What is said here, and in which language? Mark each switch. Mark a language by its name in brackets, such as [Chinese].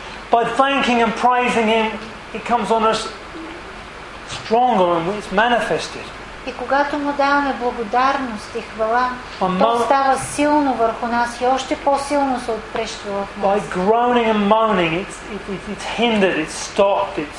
[English] By thanking and praising Him, it comes on us stronger and it's manifested. [Bulgarian] И когато му даваме благодарност и хвала, то става силно върху нас и още по-силно се отпрещва в нас. [English] By groaning and moaning, it's hindered, it's stopped, it's